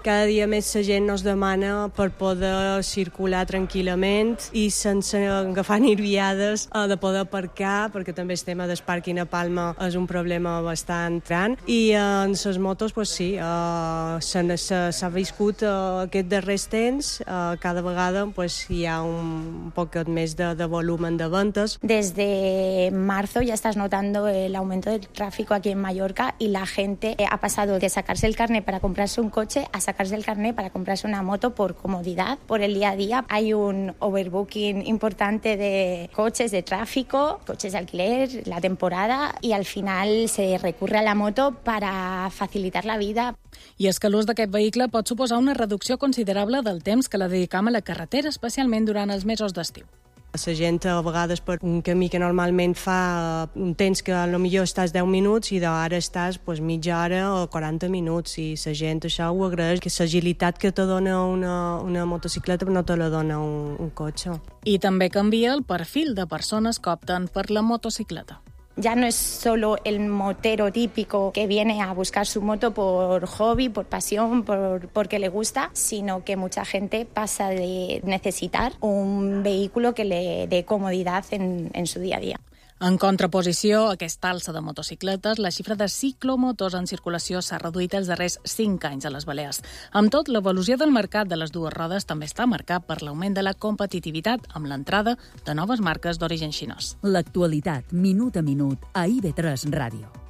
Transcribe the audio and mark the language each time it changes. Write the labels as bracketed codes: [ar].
[ca] Cada dia més la gent no es demana per poder circular tranquil·lament i sense agafar nerviades de poder aparcar, perquè també el tema del pàrquing a Palma és un problema bastant gran. I en les motos, pues sí, s'ha viscut aquest darrer temps. Cada vegada pues, hi ha un poquet més de volumen de ventes. Des de marzo ja estàs notant l'augment del tràfic aquí en Mallorca [es] y la gente ha pasado de sacarse el carnet para comprarse un coche a sacarse el carnet para comprarse una moto por comodidad, por el día a día. Hay un overbooking importante de coches de tráfico, coches de alquiler, la temporada, y al final se recurre a la moto para facilitar la vida. [ca] I és que l'ús d'aquest vehicle pot suposar una reducció considerable del temps que la dedicam a la carretera, especialment durant els mesos d'estiu. La gent a vegades per un camí que normalment fa un temps que a lo millor estàs 10 minuts i d'ara estàs pues, mitja hora o 40 minuts i la gent això ho agraeix, que l'agilitat que te dona una motocicleta no te la dona un cotxe. I també canvia el perfil de persones que opten per la motocicleta. [es] Ya no es solo el motero típico que viene a buscar su moto por hobby, por pasión, porque le gusta, sino que mucha gente pasa de necesitar un vehículo que le dé comodidad en su día a día. [ca] En contraposició a aquesta alça de motocicletes, la xifra de ciclomotors en circulació s'ha reduït els darrers 5 anys a les Balears. Amb tot, l'evolució del mercat de les dues rodes també està marcat per l'augment de la competitivitat amb l'entrada de noves marques d'origen xinès. L'actualitat, minut a minut, a IB3 Ràdio.